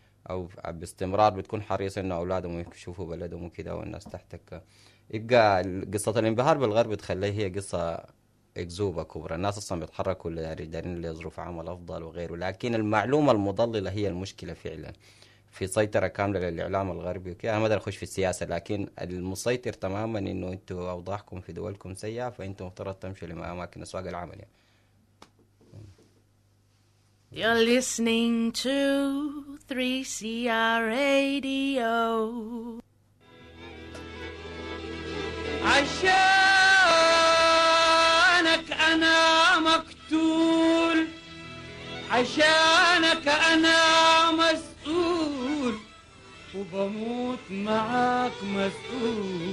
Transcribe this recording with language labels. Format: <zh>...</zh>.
<ar>أو باستمرار بتكون حريصة إنه أولادهم يشوفوا بلدهم وكده، والناس تحتك يبقى قصة الانبهار بالغرب تخليه هي قصة إكزوبة كبرى، الناس أصلا بيتحركوا دارين لظروف عمل أفضل وغيره، لكن المعلومة المضللة هي المشكلة فعلا، في سيطرة كاملة للإعلام الغربي وكذا، ما أدري أخش في السياسة، لكن المسيطر تماما إنه أنتوا أوضاعكم في دولكم سيئة، فأنتوا مفترض تمشوا لأماكن أسواق العمل يعني.</ar> <en>You're listening to 3CR Radio.</en> <ar>عشانك أنا مقتول، عشانك أنا مسؤول، وبموت معك مسؤول.</ar>